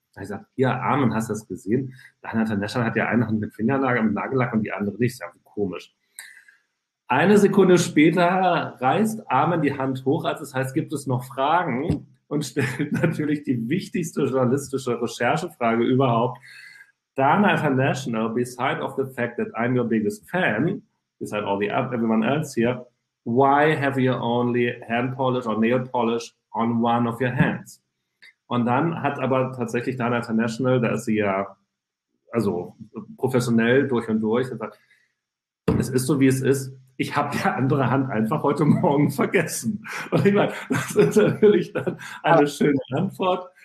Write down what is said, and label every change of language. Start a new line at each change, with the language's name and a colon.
German: Da habe ich gesagt, ja, Armin, hast du das gesehen? Dana International hat ja eine Hand mit Fingernagel, mit Nagellack und die andere nicht. Das ist ja komisch. Eine Sekunde später reißt Armin die Hand hoch, als es heißt, gibt es noch Fragen? Und stellt natürlich die wichtigste journalistische Recherchefrage überhaupt.
English: Dana International, beside of the fact that I'm your biggest fan, beside all the everyone else here, why have you only hand polish or nail polish on one of your hands?
German: Und dann hat aber tatsächlich Dana International, da ist sie ja also professionell durch und durch, gesagt, es ist so, wie es ist. Ich habe die andere Hand einfach heute Morgen vergessen. Und ich meine, das ist natürlich dann eine schöne Antwort.